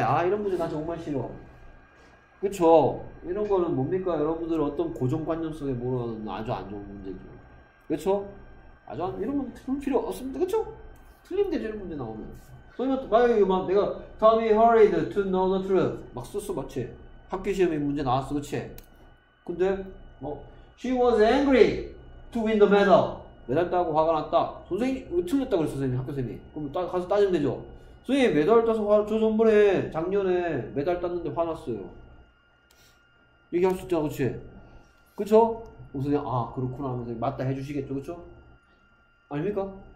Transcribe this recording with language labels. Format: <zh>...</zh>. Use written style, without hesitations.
<ko>아, 이런 문제 나 정말 싫어. 그렇죠. 이런 거는 뭡니까? 여러분들 어떤 고정관념 속에 모르는 아주 안 좋은 문제죠. 그렇죠? 아주 이런 문제 틀릴 필요 없습니다. 그렇죠? 틀리면 되죠, 이런 문제 나오면. 그러면 만약에 막 내가</ko> <en>Tommy hurried to know the truth</en> <ko>막 썼어, 맞지? 학교 시험에 문제 나왔어, 그렇지? 근데 뭐</ko> <en>She was angry to win the medal.</en> <ko>메달 따고 화가 났다. 선생님 왜 틀렸다고 그랬어, 선생님 학교 선생님. 그럼 가서 따지면 되죠. 선생님 메달 따서 화, 저 전번에 작년에 메달 땄는데 화났어요. 얘기할 수 있죠, 그렇지? 그렇죠? 선생님 아 그렇구나 하면서 맞다 해주시겠죠, 그렇죠? 아닙니까?</ko>